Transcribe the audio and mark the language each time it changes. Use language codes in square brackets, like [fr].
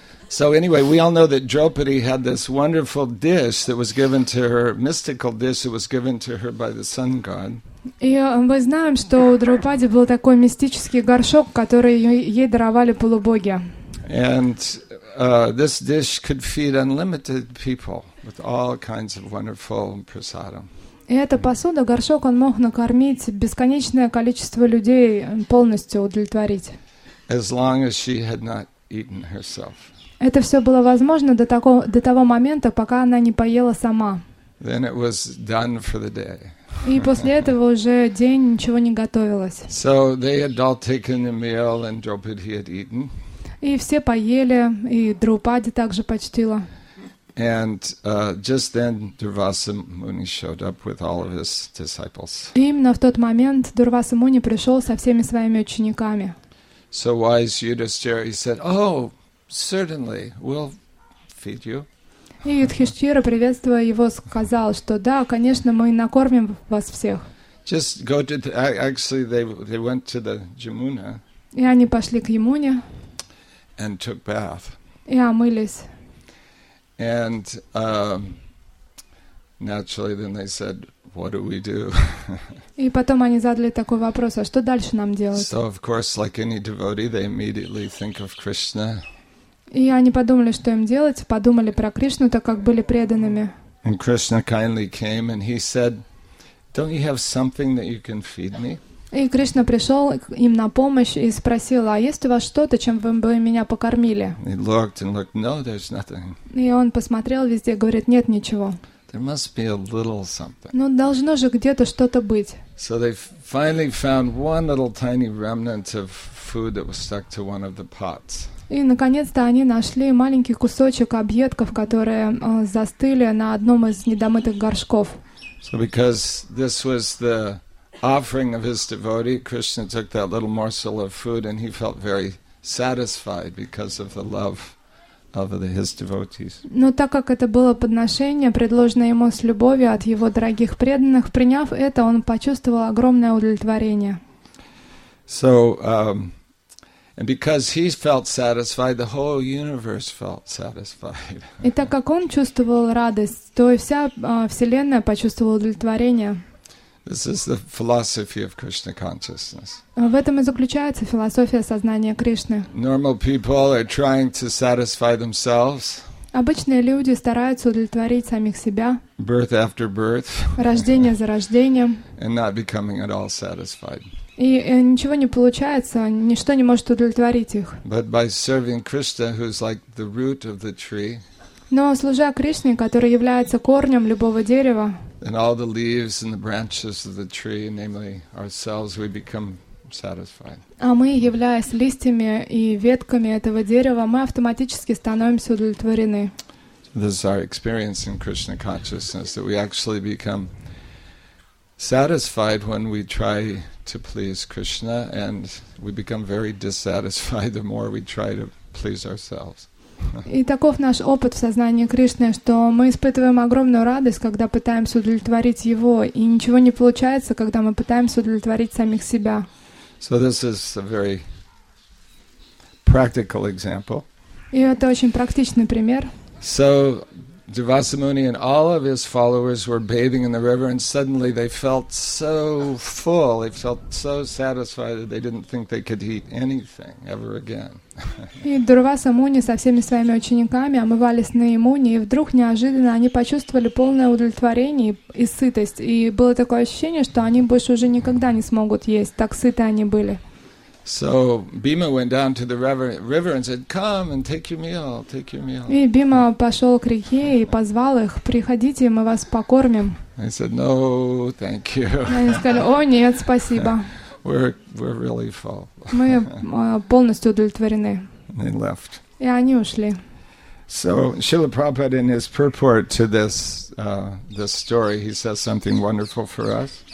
[en] So anyway, we all know that Draupadi had this wonderful dish that was given to her, mystical dish that was given to her by the sun god. [ru] И мы знаем, что у Драупади был такой мистический горшок, который ей даровали полубоги. [en] And this dish could feed unlimited people with all kinds of wonderful prasadam. [ru] И эта посуда, горшок, он мог накормить бесконечное количество людей, полностью удовлетворить. [en] As long as she had not eaten herself. [ru] Это все было возможно до того момента, пока она не поела сама. [en] Then it was done for the day. [ru] И после этого уже день ничего не готовилось. [en] So they had all taken a meal and Draupadi had eaten. [ru] И все поели, и Драупади также почтила. [en] And just then Дурвасы Муни showed up with all of his disciples. [ru] И именно в тот момент Дурвасы Муни пришел со всеми своими учениками. [en] So wise Yudhishthira, he said, "Oh, certainly, we'll feed you." [ru] И Юдхиштхира, приветствуя его, сказал, что да, конечно, мы накормим вас всех. [en] Just go to the, actually they went to the Jamuna. [ru] И они пошли к Ямуне. [en] And took bath. [ru] И омылись. [en] And naturally then they said, "What do we do?" [ru] И потом они задали такой вопрос: а что дальше нам делать? [en] So of course, like any devotee, they immediately think of Krishna. [ru] И они подумали, что им делать, подумали про Кришну, так как были преданными. [en] And Krishna kindly came and he said, "Don't you have something that you can feed me?" [ru] И Кришна пришел им на помощь и спросил: "А есть у вас что-то, чем вы бы меня покормили?" [en] He looked and looked, "No, there's nothing." [ru] И он посмотрел везде, говорит: "Нет ничего." [en] There must be a little something. [ru] Ну, должно же где-то что-то быть. [en] So they finally found one little tiny remnant of food that was stuck to one of the pots. [ru] И, наконец-то, они нашли маленький кусочек объедков, которые застыли на одном из недомытых горшков. [en] So because this was the offering of his devotee, Krishna took that little morsel of food and he felt very satisfied because of the love of his devotees. [ru] Но так как это было подношение, предложенное ему с любовью от его дорогих преданных, приняв это, он почувствовал огромное удовлетворение. [en] So, And because he felt satisfied, the whole universe felt satisfied. [ru] И так как он чувствовал радость, то и вся вселенная почувствовала удовлетворение. [en] This is the philosophy of Krishna consciousness. [ru] В этом и заключается философия сознания Кришны. [en] Normal people are trying to satisfy themselves. [ru] Обычные люди стараются удовлетворить самих себя. [en] Birth after birth. [ru] Рождение за рождением. [en] And not becoming at all satisfied. [ru] И ничего не получается, ничто не может удовлетворить их. [en] But by serving Krishna, who's like the root of the tree. [ru] Но служа Кришне, который является корнем любого дерева. [en] And all the leaves and the branches of the tree, namely ourselves, we become satisfied. [ru] А мы, являясь листьями и ветками этого дерева, мы автоматически становимся удовлетворены. [en] This is our experience in Krishna consciousness, that we actually become satisfied when we try to please Krishna, and we become very dissatisfied the more we try to please ourselves. [ru] И таков наш опыт в сознании Кришны, что мы испытываем огромную радость, когда пытаемся удовлетворить Его, и ничего не получается, когда мы пытаемся удовлетворить самих себя. [en] So this is a very practical example. [ru] И это очень практичный пример. [en] So Devasamuni and all of his followers were bathing in the river, and suddenly they felt so full, they felt so satisfied that they didn't think they could eat anything ever again. [ru] И Дурвасамуни со всеми своими учениками омывались на Ямуне, и вдруг неожиданно они почувствовали полное удовлетворение и сытость, и было такое ощущение, что они больше уже никогда не смогут есть, так сыты они были. [en] So Bhima went down to the river and said, "Come and take your meal, take your meal." [ru] И Бима пошел к реке и позвал их: "Приходите, мы вас покормим." [en] They said, "No, thank you." [ru] Они сказали: "О нет, спасибо." [en] We're really full. [ru] Мы полностью удовлетворены. [en] They left. [ru] И они ушли. [en] So Srila Prabhupada, in his purport to this story, he says something wonderful for us.